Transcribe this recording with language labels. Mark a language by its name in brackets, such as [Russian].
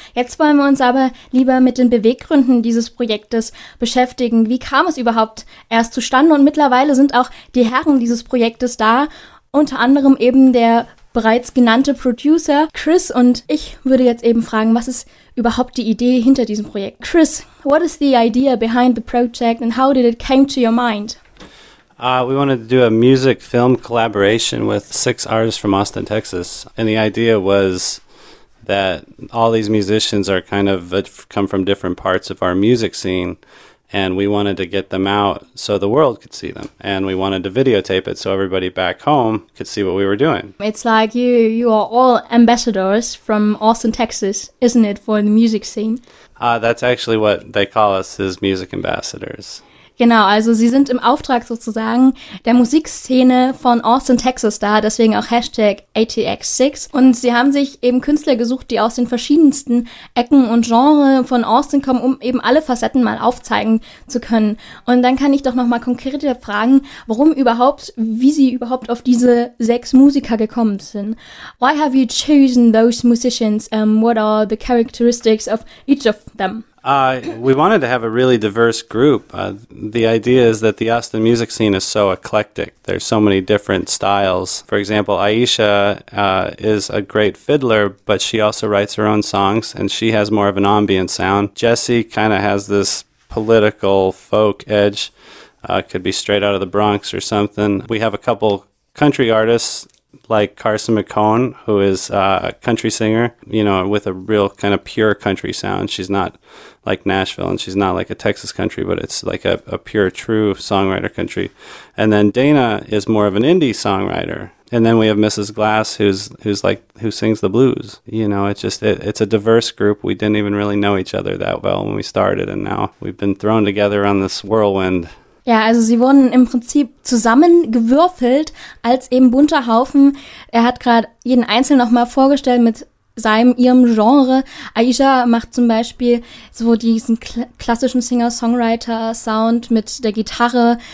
[German] Jetzt wollen wir uns aber lieber mit den Beweggründen dieses Projektes beschäftigen. Wie kam es überhaupt erst zustande? Und mittlerweile sind auch die Herren dieses Projektes da, unter anderem eben der bereits genannte Producer Chris. Und ich würde jetzt eben fragen, was ist überhaupt die Idee hinter diesem Projekt? [English] Chris, what is the idea behind the project and how did it came to your mind? We wanted to do a music film collaboration with six artists from Austin, Texas. And the idea was that all these musicians are kind of come from different parts of our music scene. And we wanted to get them out so the world could see them. And we wanted to videotape it so everybody back home could see what we were doing. It's like you are all ambassadors from Austin, Texas, isn't it, for the music scene? That's actually what they call us, is music ambassadors. [German] Genau, also sie sind im Auftrag sozusagen der Musikszene von Austin, Texas da, deswegen auch Hashtag ATX6. Und sie haben sich eben Künstler gesucht, die aus den verschiedensten Ecken und Genres von Austin kommen, um eben alle Facetten mal aufzeigen zu können. Und dann kann ich doch nochmal konkreter fragen, wie sie überhaupt auf diese sechs Musiker gekommen sind. [English] Why have you chosen those musicians? What are the characteristics of each of them? We wanted to have a really diverse group. The idea is that the Austin music scene is so eclectic. There's so many different styles. For example, Aisha is a great fiddler, but she also writes her own songs, and she has more of an ambient sound. Jesse kind of has this political folk edge. Could be straight out of the Bronx or something. We have a couple country artists, like Carson McCone, who is a country singer, you know, with a real kind of pure country sound. She's not like Nashville and she's not like a Texas country, but it's like a pure, true songwriter country. And then Dana is more of an indie songwriter. And then we have Mrs. Glass, who sings the blues. You know, it's a diverse group. We didn't even really know each other that well when we started. And now we've been thrown together on this whirlwind. [German] Ja, also sie wurden im Prinzip zusammengewürfelt als eben bunter Haufen. Er hat gerade jeden Einzelnen nochmal vorgestellt mit ihrem Genre. Aisha macht zum Beispiel so diesen klassischen Singer-Songwriter-Sound mit der Gitarre.